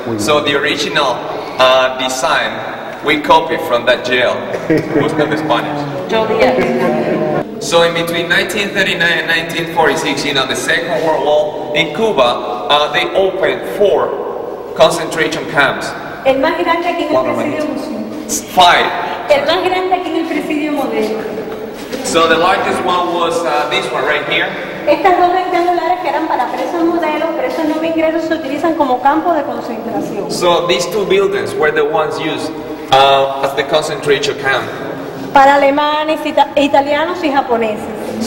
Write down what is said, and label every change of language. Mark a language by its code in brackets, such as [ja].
[en] So the original design we copied from that jail was not Spanish. Juliet. So in between 1939 and 1946, you know, the Second World War in Cuba, they opened 4 concentration camps. [es] El más grande aquí en el presidio. 5. El más grande aquí en el presidio modelo. [en] So the largest one was this one right here. [es] Estas dos rectangulares que eran para presos modelos, presos no migrantes, se utilizan como campo de concentración. [en] So these two buildings were the ones used as the concentration camp. [es] Para alemanes, italianos y japoneses.